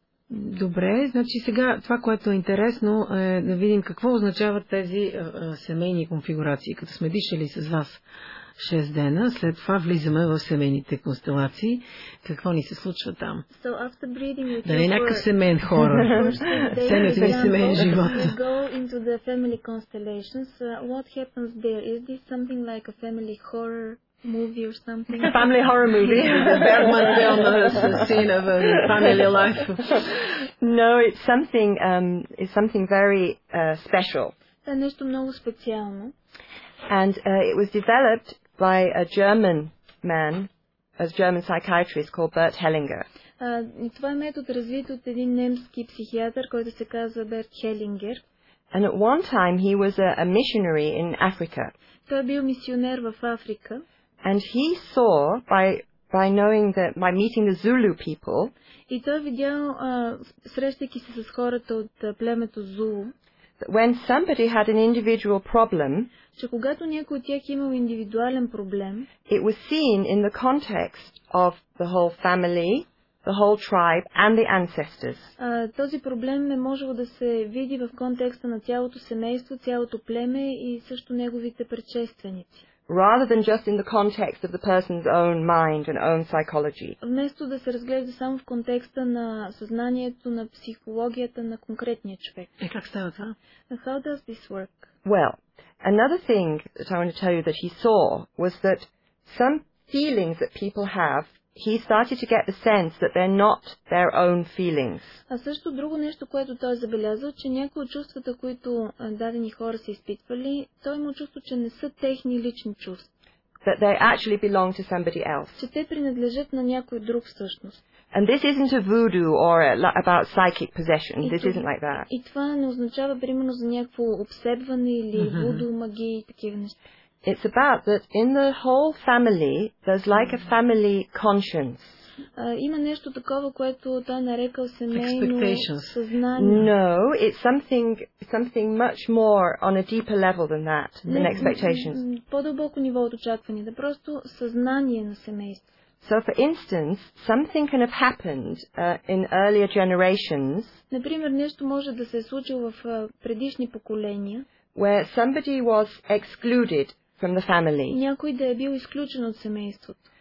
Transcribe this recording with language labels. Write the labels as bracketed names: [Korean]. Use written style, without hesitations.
[Bulgarian] Добре, значи сега това, което е интересно, е да видим какво означават тези семейни конфигурации. Като сме дишали с вас 6 дена, след това влизаме в семейните констелации. Какво ни се случва там? [English] So after breathing, [Bulgarian] да не е някакъв семейен хора. Семейни семейни живота. [English] We go into the family constellations. What happens there? Is this something like a family horror? movie or something. A family horror movie. Bergman film, the scene of a family life. No, it's something very special. [Bulgarian] Е нещо много специално. [English] And it was developed by a German man, a German psychiatrist called Bert Hellinger. [Bulgarian] Това е метод, развит от един немски психиатър, който се казва Берт Хелингер. [English] And at one time he was a missionary in Africa. [Bulgarian] Той бил мисионер в Африка. [English] And he saw by meeting the Zulu people. [Bulgarian] И той видял срещайки се с хората от племето Зулу. [English] When somebody had an individual problem, [Bulgarian] че когато някой от тях имал индивидуален проблем, [English] it was seen in the context of the whole family, the whole tribe and the ancestors. [Bulgarian] Този проблем не можело да се види в контекста на цялото семейство, цялото племе и също неговите предшественици. [English] Rather than just in the context of the person's own mind and own psychology. [Bulgarian] Вместо да се разглежда само в контекста на съзнанието, на психологията на конкретния човек. Е, как става това? [English] How does this work? Well, another thing that I want to tell you that he saw was that some feelings that people have, he started to get the sense that they're not their own feelings. [Bulgarian] А също друго нещо, което той забелязал, че някои от чувствата, които дадени хора са изпитвали, той му чувства, че не са техни лични чувства. [English] That they actually belong to somebody else. [Bulgarian] Че те принадлежат на някой друг всъщност. [English] And this isn't a voodoo or about psychic possession. This isn't like that. [Bulgarian] И това не означава примерно за някакво обсебване или вуду, магия и такива неща. [English] It's about that in the whole family there's like a family conscience. [Bulgarian] Има нещо такова, което той нарекал семейно съзнание. [English] No, it's something much more on a deeper level than that, than expectations. [Bulgarian] По-дълбоко ниво от очакванията, да просто съзнание на семейство. [English] So for instance, something can have happened in earlier generations. [Bulgarian] Например, нещо може да се е случило в предишни поколения. [English] Where somebody was excluded from the family. [Bulgarian] Някой да е бил изключен от семейството.